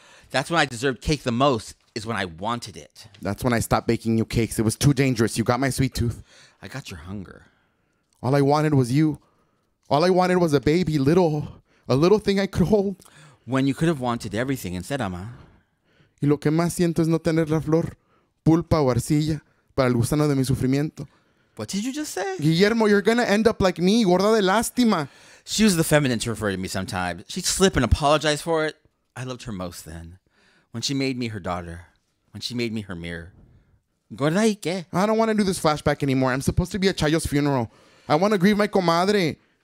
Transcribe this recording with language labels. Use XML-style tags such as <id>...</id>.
<en>That's when I deserved cake the most, is when I wanted it. That's when I stopped baking you cakes. It was too dangerous. You got my sweet tooth. I got your hunger. All I wanted was you. All I wanted was a baby, little, a little thing I could hold. When you could have wanted everything instead, Ama.</en> <es>Y lo que más siento es no tener la flor, pulpa o arcilla para el gusano de mi sufrimiento.</es> <en>What did you just say? Guillermo, you're gonna end up like me,</en> <es>gorda de lástima.</es> <en>She was the feminine to refer to me sometimes. She'd slip and apologize for it. I loved her most then. When she made me her daughter. When she made me her mirror.</en> <es>Gorda y qué?</es> <en>I don't want to do this flashback anymore. I'm supposed to be at Chayo's funeral. I want to grieve my comadre.</en>